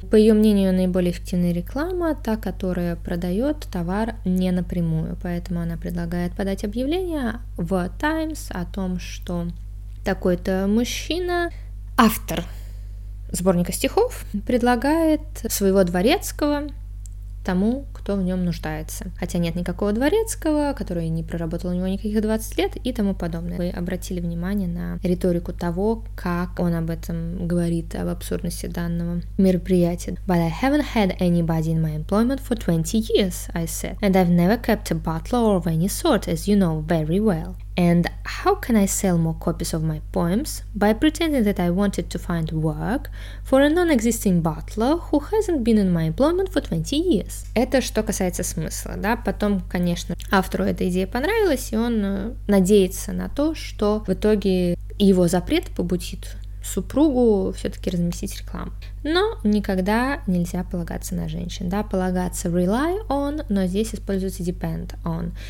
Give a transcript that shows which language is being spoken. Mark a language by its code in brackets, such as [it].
[ru] По ее мнению, наиболее эффективная реклама та, которая продает товар не напрямую, поэтому она предлагает подать объявление в Times о том, что такой-то мужчина, автор сборника стихов, предлагает своего дворецкого тому, кто в нем нуждается. Хотя нет никакого дворецкого, который не проработал у него никаких 20 лет и тому подобное. Вы обратили внимание на риторику того, как он об этом говорит, об абсурдности данного мероприятия. [en] But I haven't had anybody in my employment for 20 years, I said. And I've never kept a butler of any sort, as you know very well. And how can I sell more copies of my poems by pretending that I wanted to find work for a non-existing butler who hasn't been in my employment for 20 years? [ru] Это что касается смысла, да? Потом, конечно, автору эта идея понравилась, и он надеется на то, что в итоге его запрет побудит супругу все-таки разместить рекламу. Но никогда нельзя полагаться на женщин, да, полагаться rely on, но здесь используется depend on.